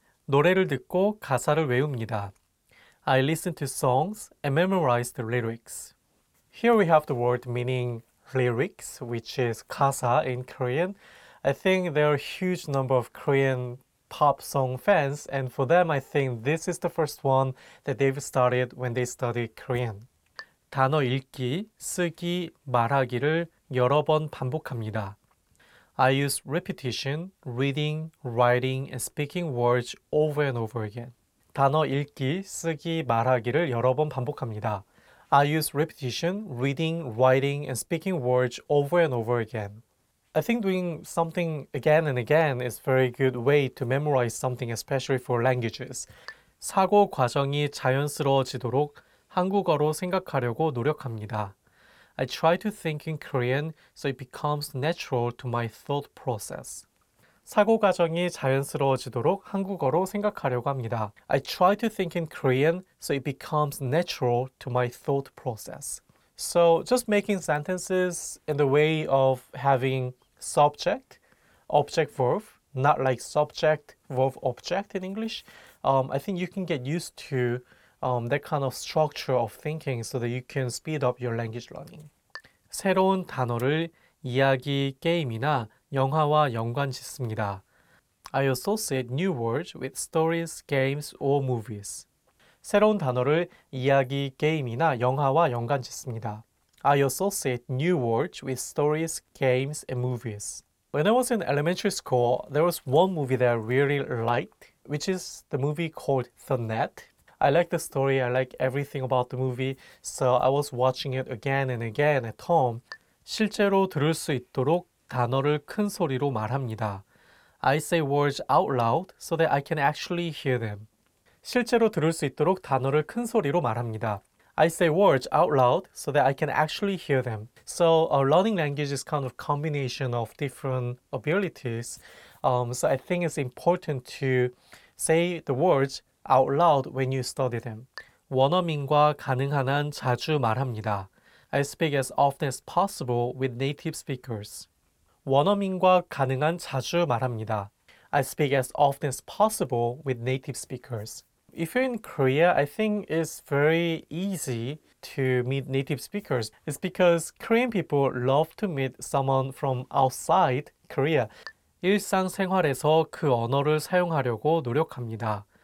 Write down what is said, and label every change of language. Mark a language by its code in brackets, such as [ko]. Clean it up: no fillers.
[ko] 노래를 듣고 가사를 외웁니다. [en] I listen to songs and memorize the lyrics. Here we have the word meaning lyrics, which is 가사 in Korean. I think there are a huge number of Korean pop song fans, and for them, I think this is the first one that they've studied when they studied Korean. [ko] 단어 읽기, 쓰기, 말하기를 여러 번 반복합니다. [en] I use repetition, reading, writing, and speaking words over and over again. [ko] 단어 읽기, 쓰기, 말하기를 여러 번 반복합니다. [en] I use repetition, reading, writing, and speaking words over and over again. I think doing something again and again is a very good way to memorize something, especially for languages. [ko] 사고 과정이 자연스러워지도록 한국어로 생각하려고 노력합니다. [en] I try to think in Korean so it becomes natural to my thought process. [ko] 사고 과정이 자연스러워지도록 한국어로 생각하려고 합니다. [en] I try to think in Korean so it becomes natural to my thought process. So just making sentences in the way of having subject, object, verb, not like subject, verb, object in English. I think you can get used to that kind of structure of thinking so that you can speed up your language learning. [ko] 새로운 단어를 이야기, 게임이나 영화와 연관짓습니다. [en] I associate new words with stories, games, or movies. [ko] 새로운 단어를 이야기, 게임이나 영화와 연관짓습니다. [en] I associate new words with stories, games, and movies. When I was in elementary school, there was one movie that I really liked, which is the movie called The Net. I like the story, I like everything about the movie, so I was watching it again and again at home. [ko] 실제로 들을 수 있도록 단어를 큰 소리로 말합니다. [en] I say words out loud so that I can actually hear them. [ko] 실제로 들을 수 있도록 단어를 큰 소리로 말합니다. [en] I say words out loud so that I can actually hear them. So learning language is kind of a combination of different abilities. So I think it's important to say the words out loud when you study them. [ko] 원어민과 가능한 한 자주 말합니다. [en] I speak as often as possible with native speakers. [ko] 원어민과 가능한 자주 말합니다. [en] I speak as often as possible with native speakers. If you're in Korea, I think it's very easy to meet native speakers. It's because Korean people love to meet someone from outside Korea. [ko] 일상생활에서 그 언어를 사용하려고 노력합니다.